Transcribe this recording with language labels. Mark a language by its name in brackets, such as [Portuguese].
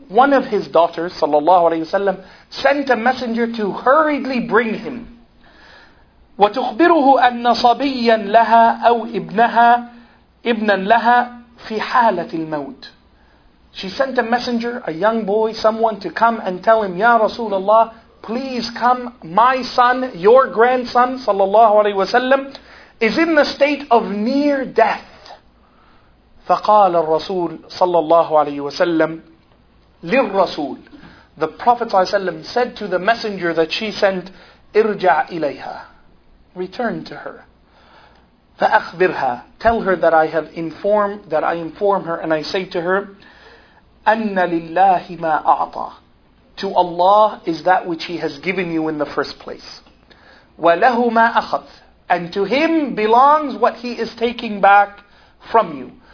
[English] One of his daughters sallallahu alayhi wa sallam sent a messenger to hurriedly bring him, [Arabic] وَتُخْبِرُهُ أَنَّ صَبِيًّا لَهَا أَوْ إِبْنَهَا إِبْنًا لَهَا فِي حَالَةِ الْمَوْتِ. [English] She sent a messenger, a young boy, someone to come and tell him, Ya Rasulullah, please come, my son, your grandson sallallahu alayhi wa sallam is in the state of near death. [Arabic] فقال الرسول صلى الله عليه وسلم للرسول, [English] the Prophet [Arabic] صلى الله عليه وسلم [English] said to the messenger that she sent, [Arabic] ارجع إليها, [English] return to her. [Arabic] فأخبرها, [English] tell her that I have informed, that I inform her and I say to her, [Arabic] أن لله ما أعطى, [English] to Allah is that which He has given you in the first place. [Arabic] وله ما أخذ, [English] and to him belongs what he is taking back from you.